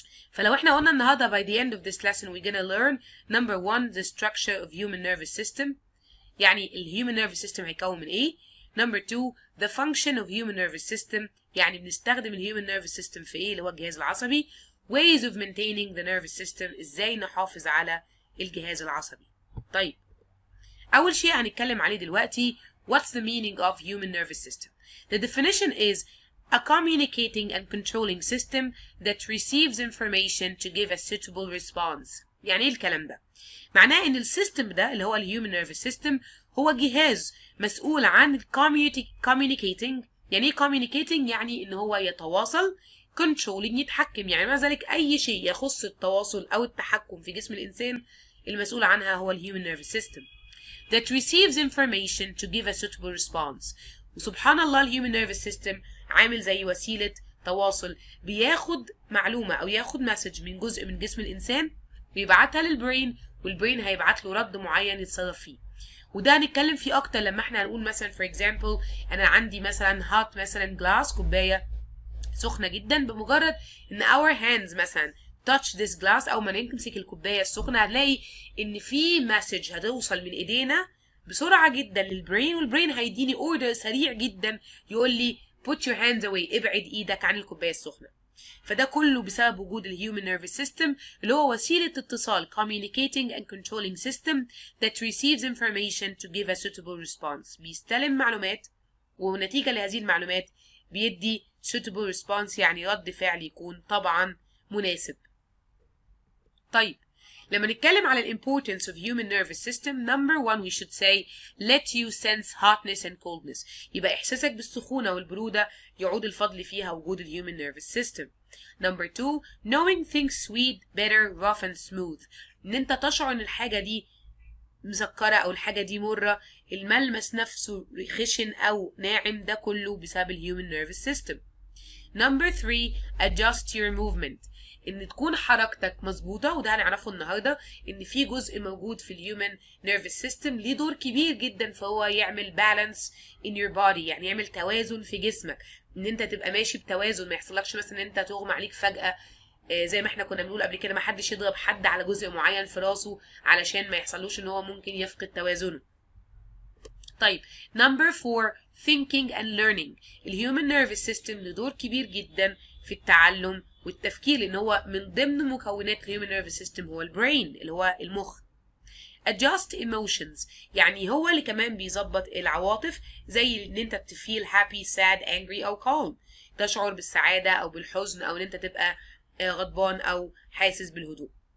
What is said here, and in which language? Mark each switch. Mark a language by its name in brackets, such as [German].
[English] فلو احنا قلنا النهارده by the end of this lesson we're gonna learn number one the structure of human nervous system, [Arabic] يعني الهيومن نيرفس سيستم هيتكون من ايه, [English] number two the function of human nervous system, [Arabic] يعني بنستخدم الهيومن نيرفس سيستم في ايه اللي هو الجهاز العصبي, [English] ways of maintaining the nervous system, [Arabic] ازاي نحافظ على الجهاز العصبي. طيب أول شيء هنتكلم عليه دلوقتي, [English] what's the meaning of human nervous system? The definition is a communicating and controlling system that receives information to give a suitable response. [Arabic] يعني إيه الكلام ده؟ معناه إن السيستم ده اللي هو human nervous system هو جهاز مسؤول عن communicating. يعني إيه communicating؟ يعني إن هو يتواصل, controlling يتحكم, يعني مع ذلك أي شيء يخص التواصل أو التحكم في جسم الإنسان المسؤول عنها هو human nervous system. [English] That receives information to give a suitable response. [Arabic] وسبحان الله الـ human nervous system عامل زي وسيلة تواصل, بياخد معلومة أو ياخد مسج من جزء من جسم الإنسان ويبعتها للبرين, والبرين هيبعت له رد معين يتصرف فيه. وده هنتكلم فيه أكتر لما احنا هنقول مثلا for example أنا عندي مثلا hot مثلا glass, كوباية سخنة جدا, بمجرد إن our hands مثلا [English] touch this glass [Arabic] أو ما نمسك الكوباية السخنة هنلاقي إن في مسج هتوصل من إيدينا بسرعة جدا للبرين, والبرين هيديني أوردر سريع جدا يقول لي [English] put your hands away, [Arabic] ابعد إيدك عن الكوباية السخنة. فده كله بسبب وجود الـ [English] human nervous system [Arabic] اللي هو وسيلة اتصال [English] communicating and controlling system that receives information to give a suitable response. [Arabic] بيستلم معلومات ونتيجة لهذه المعلومات بيدي [English] suitable response, [Arabic] يعني رد فعل يكون طبعا مناسب. طيب لما نتكلم على [English] the importance of human nervous system, number one we should say let you sense hotness and coldness. [Arabic] يبقى إحساسك بالسخونة والبرودة يعود الفضل فيها وجود the human nervous system. [English] Number two, knowing things sweet, bitter, rough and smooth. [Arabic] إن أنت تشعر إن الحاجة دي مسكرة أو الحاجة دي مرة, الملمس نفسه خشن أو ناعم, ده كله بسبب the human nervous system. [English] Number three, adjust your movement. [Arabic] ان تكون حركتك مظبوطة, وده هنعرفه النهاردة ان في جزء موجود في الهيومن نيرفس سيستم ليه دور كبير جدا, فهو يعمل بالانس [English] in your body, [Arabic] يعني يعمل توازن في جسمك, ان انت تبقى ماشي بتوازن, ما يحصلكش مثلا ان انت تغمى عليك فجأة زي ما احنا كنا بنقول قبل كده ما حدش يضرب حد على جزء معين في راسه علشان ما يحصلوش ان هو ممكن يفقد توازنه. [English] طيب number four, thinking and learning. [Arabic] الهيومن نيرفس سيستم له دور كبير جدا في التعلم والتفكير, لان هو من ضمن مكونات الهيومن نيرفس سيستم هو البرين اللي هو المخ. [English] adjust emotions, [Arabic] يعني هو اللي كمان بيظبط العواطف, زي ان انت بتفيل happy, sad, angry او calm, تشعر بالسعاده او بالحزن, او ان انت تبقى غضبان او حاسس بالهدوء.